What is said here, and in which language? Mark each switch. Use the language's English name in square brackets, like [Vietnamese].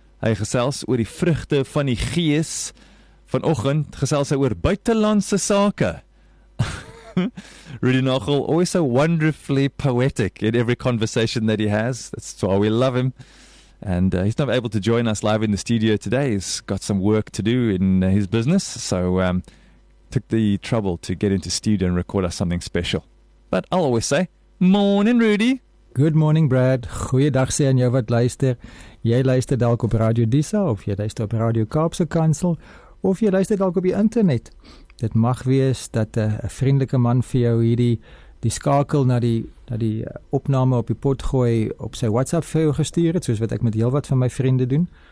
[Afrikaans] Hy gesels oor die vruchte van die gees. Vanochtend gesels hy oor buitenlandse sake. [English] Rudy Nagel, always so wonderfully poetic in every conversation that he has. That's why we love him. And he's not able to join us live in the studio today. He's got some work to do in his business. So, took the trouble to get into studio and record us something special. But I'll always say, morning, Rudy. Good morning, Brad. [Afrikaans] Goeiedag sê aan jou wat luister. Jy luister dalk op Radio Disa, of jy luister op Radio Kaapse Kansel, of jy luister dalk op die internet. Dit mag wees dat 'n vriendelike man vir jou hierdie die skakel na die opname op die pot gooi op sy WhatsApp vir jou gestuur het, soos wat ek met heel wat van my vriende doen.